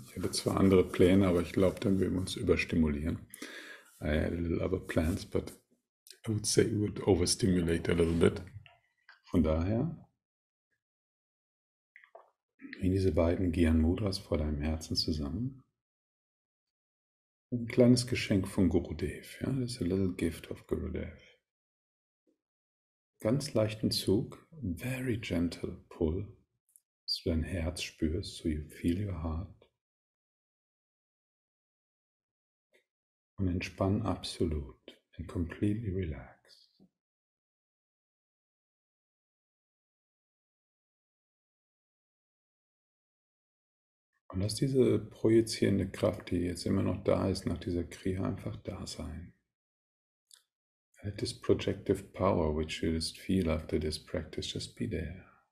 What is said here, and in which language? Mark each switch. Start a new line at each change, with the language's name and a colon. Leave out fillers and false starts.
German: Ich habe zwar andere Pläne, aber ich glaube, dann würden wir uns überstimulieren.
English: I had a little other plans, but I would say it would overstimulate a little bit.
German: Von daher, bring diese beiden Gyan Mudras vor deinem Herzen zusammen. Ein kleines Geschenk von Gurudev. Ja?
English: It's a little gift of Gurudev.
German: Ganz leichten Zug,
English: very gentle pull,
German: so dein Herz spürst,
English: so you feel your heart.
German: Und entspann absolut
English: and completely relax.
German: Und lass diese projizierende Kraft, die jetzt immer noch da ist, nach dieser Kriya einfach da sein.
English: Let this projective power, which you just feel after this practice, just be there.